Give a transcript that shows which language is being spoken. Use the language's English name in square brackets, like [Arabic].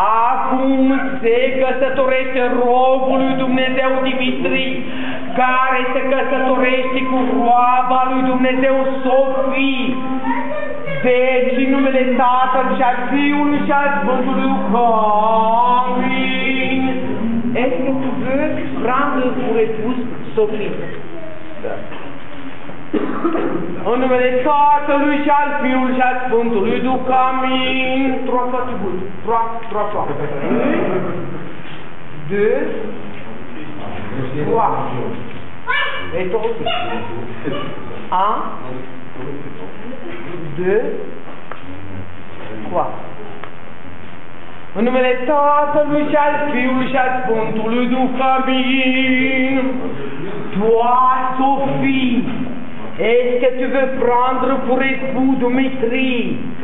[Romanian] Acum se căsătorește robul lui Dumnezeu Dimitri, care se căsătorește cu roaba lui Dumnezeu Sofie. Deci, în numele Tatălui și al Fiului și al Sfântului Duh. Amin. [French] Est-ce que tu veux prendre pour épouse Sophie? [Romanian] Da. În numele Tatălui și al Fiului și al Sfântului Duh. Amin. [French] Trois fois tu veux. Trois. Un. Deux. Trois. Et toi aussi. Un. Deux, trois. [Romanian] În numele Tatălui și al Fiului și al Sfântului Duh, amin. [French] Toi, Sophie, est-ce que tu veux prendre pour époux Dumitri?